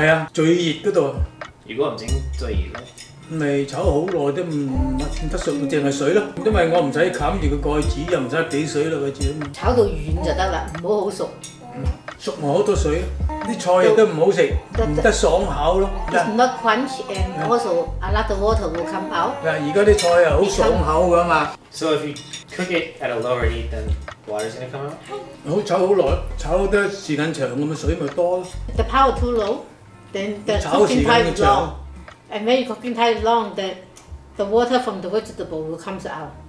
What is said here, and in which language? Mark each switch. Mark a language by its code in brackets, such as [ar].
[yue] 係啊，最熱嗰度。如果唔整最熱咧？未炒好耐都唔得上，淨係水咯。因為我唔使冚住個蓋子，又唔使俾水咯，佢自己。炒到軟就得啦，唔好好熟。熟冇好多水，啲菜亦都唔好食，唔得爽口咯。 [en] It's not crunch and also a lot of water will come out. [yue] 嗱，而家啲菜又好爽口噶嘛。 [en] So if you cook it at a lower heat, then water's gonna come out. [yue] 好炒好耐，炒得時間長咁，水咪多咯。 [en] The power too low, then the cooking time is long. And when you're cooking too long, the water from the vegetable will come out.